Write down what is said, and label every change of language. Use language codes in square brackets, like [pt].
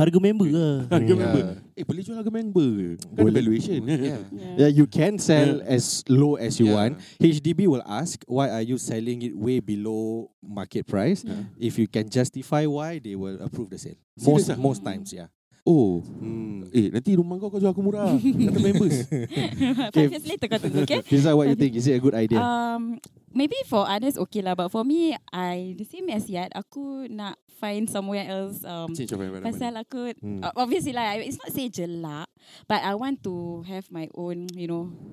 [ms] Harga member lah. Boleh jual harga member ke? Kan valuation. [en] Yeah, you can sell as low as you want. HDB will ask, why are you selling it way below market price? Yeah. If you can justify why, they will approve the sale. Most times, yeah. Oh. [ms] Nanti rumah kau jual aku murah. Kata members. [en] 5 years later [ms] kau tunggu, [en] okay? Fiza, what you think? Is it a good idea? Maybe for others, okay lah. But for me, the same as yet. [ms] Aku nak [en] find somewhere else. [ms] Pasal aku, obviously lah. [en] It's not say jelak, but I want to have my own, you know.